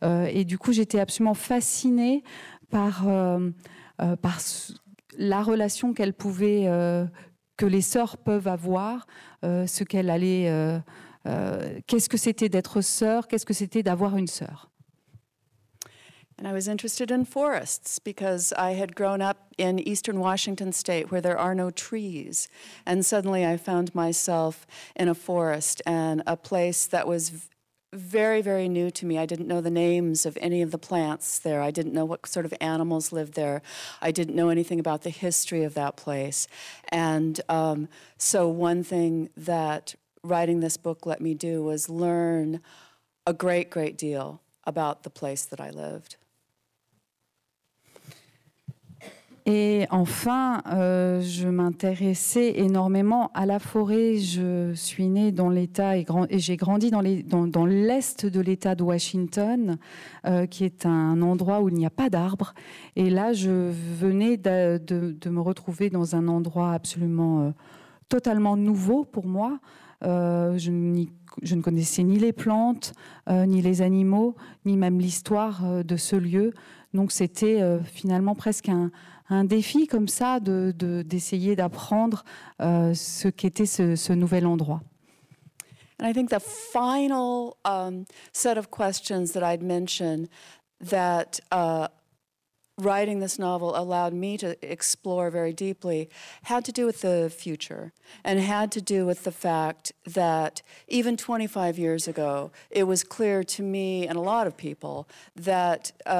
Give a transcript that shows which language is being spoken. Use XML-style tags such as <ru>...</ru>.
<fr>Et du coup, j'étais absolument fascinée par la relation qu'elles pouvaient, que les sœurs peuvent avoir, ce qu'elles allaient. Qu'est-ce que c'était d'être sœur, qu'est-ce que c'était d'avoir une sœur?</fr> <en>And I was interested in forests because I had grown up in eastern Washington state where there are no trees. And suddenly I found myself in a forest and a place that was very, very new to me. I didn't know the names of any of the plants there. I didn't know what sort of animals lived there. I didn't know anything about the history of that place. And so one thing that writing this book let me do was learn a great, great deal about the place that I lived.</en> <fr>Et enfin, je m'intéressais énormément à la forêt. Je suis née dans l'État et j'ai grandi dans l'est de l'État de Washington, qui est un endroit où il n'y a pas d'arbres. Et là, je venais de me retrouver dans un endroit absolument totalement nouveau pour moi. Je ne connaissais ni les plantes, ni les animaux, ni même l'histoire de ce lieu. Donc c'était finalement presque un défi comme ça d'essayer d'apprendre ce qu'était ce nouvel endroit.</fr> <en>And I think the final set of questions that I'd mentioned that writing this novel allowed me to explore very deeply had to do with the future and had to do with the fact that even 25 years ago, it was clear to me and a lot of people that</en>